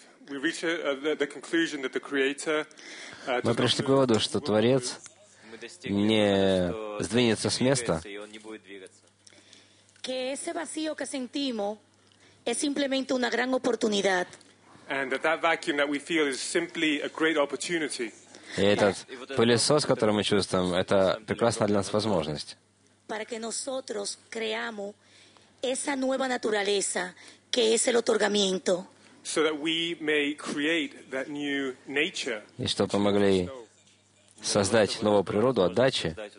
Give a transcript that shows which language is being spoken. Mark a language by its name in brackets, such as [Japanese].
[Russian] Мы пришли к выводу, что Творец не сдвинется с места. [Spanish] Que ese vacío que sentimos es simplemente una gran oportunidad. [English] And that vacuum that we feel is simply a great opportunity. [Russian] И этот пылесос, который мы чувствуем, это прекрасная для нас возможность. [Spanish] Para que nosotros creamos esa nueva naturaleza que es el otorgamiento. [English] So that we may create that new nature. [Russian] И чтобы мы могли создать новую природу отдачи.